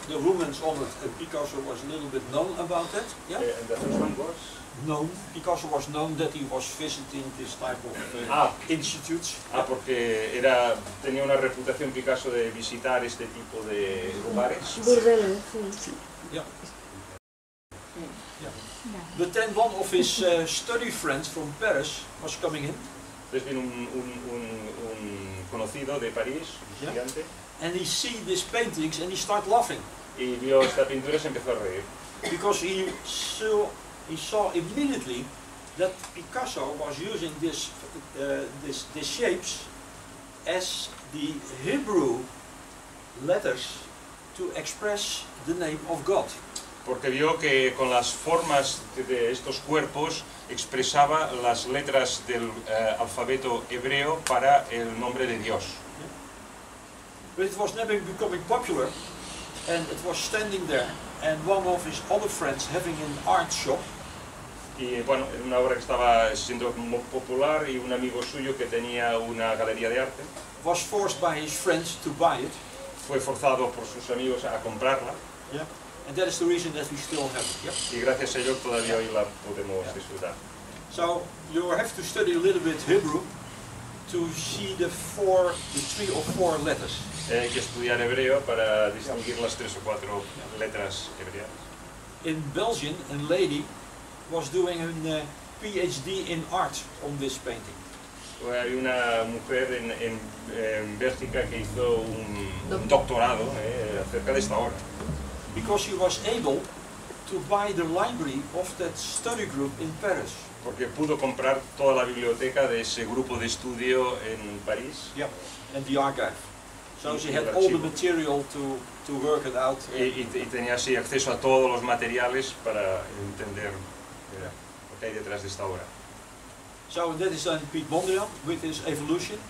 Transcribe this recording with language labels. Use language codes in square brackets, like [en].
[en] The Romans honored it, Picasso was a little bit known about that. Yeah? And that was one was? Known. Picasso was known that he was visiting this type of institutes. [es] Ah, porque tenía una reputación Picasso de visitar este tipo de lugares. [en] But then one of his study friends from Paris was coming in. [es] Entonces viene un conocido de París, un gigante. [en] And he see these paintings and he start laughing. [es] Y vio esta pintura y se empezó a reír. [en] Because he saw immediately that Picasso was using these shapes as the Hebrew letters to express the name of God. [es] Porque vio que con las formas de estos cuerpos expresaba las letras del alfabeto hebreo para el nombre de Dios. [en] But it was never becoming popular, and it was standing there, and one of his other friends having an art shop. [es] Y bueno, era una obra que estaba siendo muy popular y un amigo suyo que tenía una galería de arte. [en] Was forced by his friends to buy it. [es] Fue forzado por sus amigos a comprarla. [en] Yeah. And that is the reason that we still have it. Yeah? [es] Y gracias a ello todavía hoy la podemos disfrutar. [en] So you have to study a little bit Hebrew to see the three or four letters. [es] Hay que estudiar hebreo para distinguir las tres o cuatro letras hebreas. [en] In Belgium, a lady was doing a PhD in art on this painting. [es] Hay una mujer en Bélgica que hizo un doctorado acerca de esta obra. [en] Because she was able to buy the library of that study group in Paris. [es] Porque pudo comprar toda la biblioteca de ese grupo de estudio en París. [en] Yeah, and the archive. So she had all the material to work it out. [es] Y tenía así acceso a todos los materiales para entender lo que hay detrás de esta obra. [en] So that is then Piet Mondrian with his evolution.